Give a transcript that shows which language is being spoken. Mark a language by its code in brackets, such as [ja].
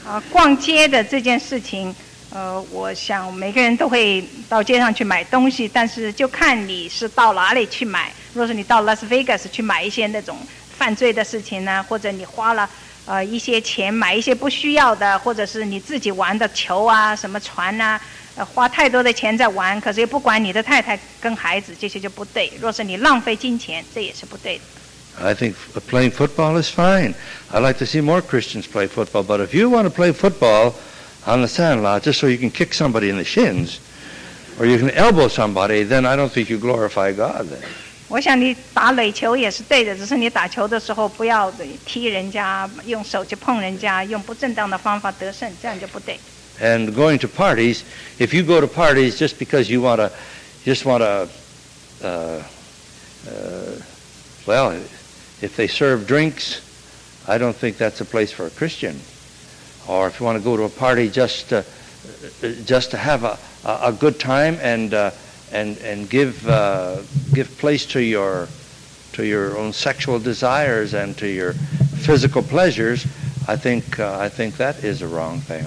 [zh] 逛街的这件事情，我想每个人都会到街上去买东西，但是就看你是到哪里去买。若是你到 Las Vegas 去买一些那种犯罪的事情呢，或者你花了一些钱买一些不需要的，或者是你自己玩的球啊、什么船啊，花太多的钱在玩，可是又不管你的太太跟孩子，这些就不对。若是你浪费金钱，这也是不对的。 [en] I think playing football is fine. I'd like to see more Christians play football, but if you want to play football on the sand lot just so you can kick somebody in the shins or you can elbow somebody, then I don't think you glorify God then. [zh] 我想你打垒球也是对的，只是你打球的时候不要踢人家，用手去碰人家，用不正当的方法得胜，这样就不对。 [en] And going to parties, if you go to parties just because you want to well, if they serve drinks, I don't think that's a place for a Christian. Or if you want to go to a party just to have a good time and give place to your own sexual desires and to your physical pleasures, I think that is a wrong thing.